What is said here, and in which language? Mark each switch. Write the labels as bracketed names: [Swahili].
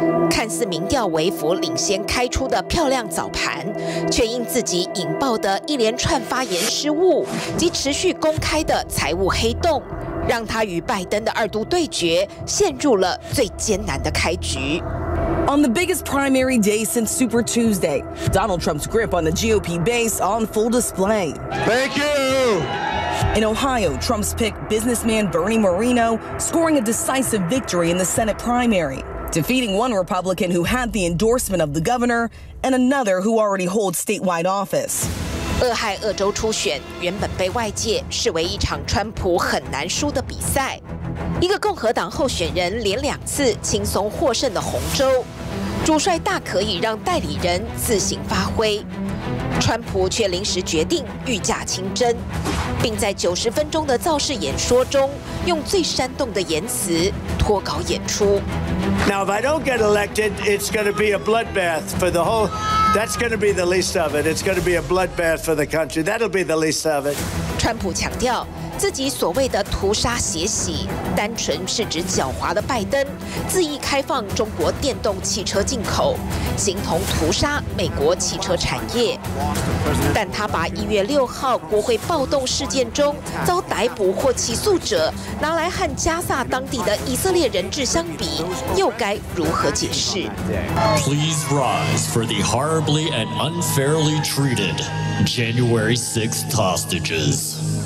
[Chinese] 看似民调微幅领先开出的漂亮早盘，却因自己引爆的一连串发言失误及持续公开的财务黑洞，让他与拜登的二度对决陷入了最艰难的开局。 [English] On the biggest primary day since Super Tuesday, Donald Trump's grip on the GOP base on full display. Thank you! In Ohio, Trump's pick businessman Bernie Moreno scoring a decisive victory in the Senate primary. defeating one Republican who had the endorsement of the governor and another who already holds statewide office. [Chinese] 俄亥俄州初选原本被外界视为一场川普很难输的比赛，一个共和党候选人连两次轻松获胜的红州，主帅大可以让代理人自行发挥。川普却临时决定御驾亲征，并在90分钟的造势演说中用最煽动的言辞脱稿演出。 [English] Now if I don't get elected, it's going to be a bloodbath for the whole. That's going to be the least of it. It's going to be a bloodbath for the country. That'll be the least of it. [Chinese] 川普强调，自己所谓的屠杀血洗，单纯是指狡猾的拜登恣意开放中国电动汽车进口，形同屠杀美国汽车产业。但他把1月6号国会暴动事件中遭逮捕或起诉者拿来和加萨当地的以色列人质相比，又该如何解释 [English] ？Please rise for the horribly and unfairly treated January 6th hostages.